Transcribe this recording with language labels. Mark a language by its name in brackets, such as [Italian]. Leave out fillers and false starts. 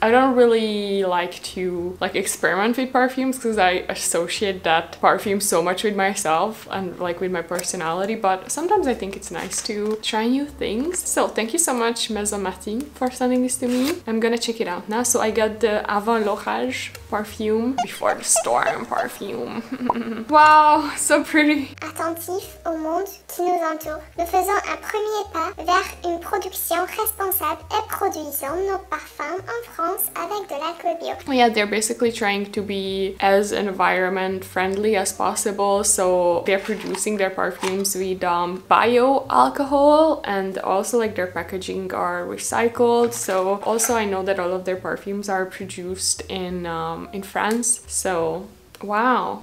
[English] I don't really like to like experiment with perfumes because I associate that perfume so much with myself and like with my personality, but sometimes I think it's nice to try new things. So thank you so much, Maison Martine, for sending this to me. I'm gonna check it out now. So I got the Avant l'Orage perfume, Before the Storm perfume. Wow, so pretty. [French] Attentif au monde qui nous entoure, nous faisons un premier pas vers une production responsable et produisons nos parfums en France avec de l'alcool bio. [English] Yeah, they're basically trying to be as environment friendly as possible, so they're producing their perfumes with bio alcohol, and also like their packaging are recycled. So also I know that all of their perfumes are produced in France, so wow.